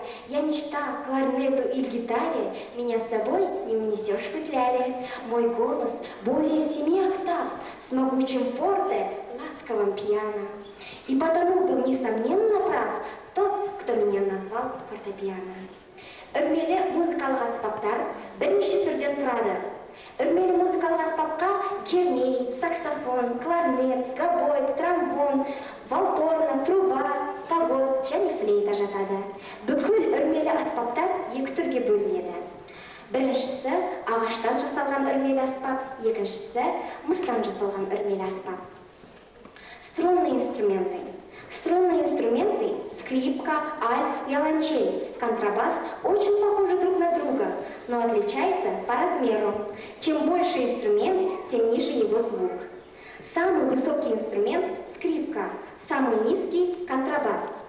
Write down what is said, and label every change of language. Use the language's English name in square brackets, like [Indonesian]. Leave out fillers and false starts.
[Russian] мечта, кларнету или гитаре меня с собой не унесешь петляли. Мой голос более 7 октав, с могучим форте, ласковым пиано. И потому был несомненно прав тот, кто меня назвал фортепиано. [Kazakh] Үрмелі музыкалық аспаптар бірінші түрден тұрады. Үрмелі музыкалық аспапқа керней, саксофон, кларнет, габой, тромбон, валторна, труба, фагот және флейта жатады. Бүкіл үрмелі аспаптар екі түрге бөлінеді. Біріншісі ағаштан жасалған үрмелі аспап, екіншісі мыстан жасалған үрмелі аспап. [Russian] Струнные инструменты. Струнные инструменты – скрипка, альт, виолончель, контрабас – очень похожи друг на друга, но отличаются по размеру. Чем больше инструмент, тем ниже его звук. Самый высокий инструмент – скрипка, самый низкий – контрабас.